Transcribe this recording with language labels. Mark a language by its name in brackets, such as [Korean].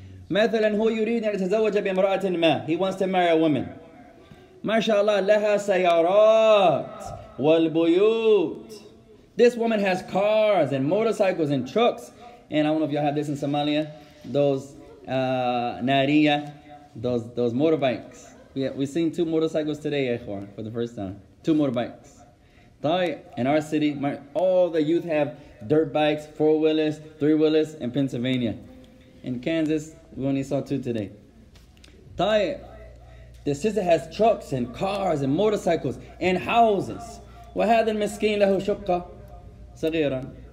[Arabic] مثلا هو يريد أن يتزوج بامرأة ما. [English] He wants to marry a woman. [Arabic] ما شاء الله لها سيارات والبيوت. [English] This woman has cars and motorcycles and trucks. And I don't know if y'all have this in Somalia, those Nariya, those motorbikes. We've seen two motorcycles today, Ekhwan, for the first time. Two motorbikes. In our city, all the youth have dirt bikes, four-wheelers, three-wheelers in Pennsylvania. In Kansas, we only saw two today. The sister has trucks and cars and motorcycles and houses. [Arabic] وهذا المسكين له شقة صغيرة.